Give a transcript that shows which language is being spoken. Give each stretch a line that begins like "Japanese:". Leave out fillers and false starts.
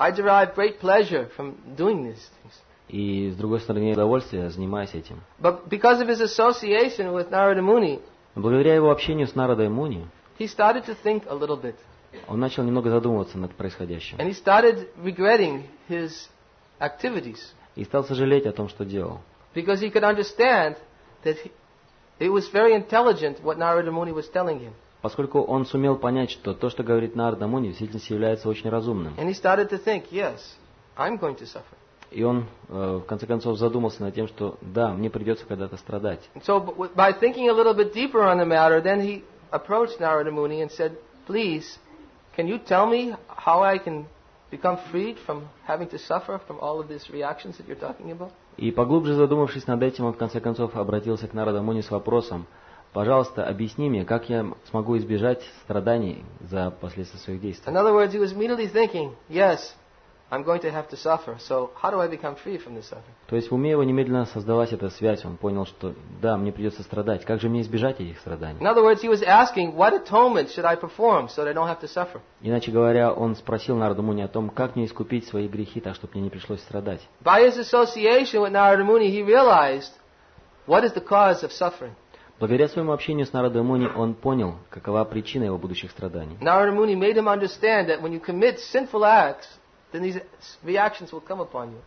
English: I derive great pleasure from doing these things.
Russian: И с другой стороны, имею удовольствие, занимаясь этим.
English: But because of his association with Narada Muni,
Russian: благодаря его общению с Нарадой Муни,
English: he started to think a little bit.
Russian: Он начал немного задумываться над происходящим.
English: And he started regretting his activities.
Russian: И стал сожалеть о том, что делал.
English: Because he could understand that it was very intelligent what Narada Muni was telling him.
Russian: Поскольку он сумел понять, что то, что говорит Нарада Муни, в действительности является очень разумным.
English: And he started to think, yes, I'm going to suffer.
Russian: И он в конце концов задумался над тем, что да, мне придется когда-то страдать.
English: So by thinking a little bit deeper on the matter, then he approached Narada Muni and said, please, can you tell me how I can become freed from having to suffer from all of these reactions that you're talking about?
Russian: И поглубже задумавшись над этим, он в конце концов обратился к Нарада Муни с вопросом: пожалуйста, объясни мне, как я смогу избежать страданий за последствия своих действий.
English: In other words, he was immediately thinking, yes, I'm going to have to suffer. So how do I become free from this suffering?
Russian: То есть в уме его немедленно создалась эта связь. Он понял, что да, мне придется страдать. Как же мне избежать этих страданий?
English: In other words, he was asking, what atonement should I perform so that I don't have to suffer?
Russian: Иначе говоря, он спросил Нарада Муни о том, как мне искупить свои грехи, так чтобы мне не пришлось страдать.
English: By his association with Narada Muni, he realized what is the cause of suffering.
Russian: Благодаря своему общению с Нарадой Муни, он понял, какова причина его будущих страданий.
English: Narada Muni made him understand that when you commit sinful acts, then these reactions will come upon you.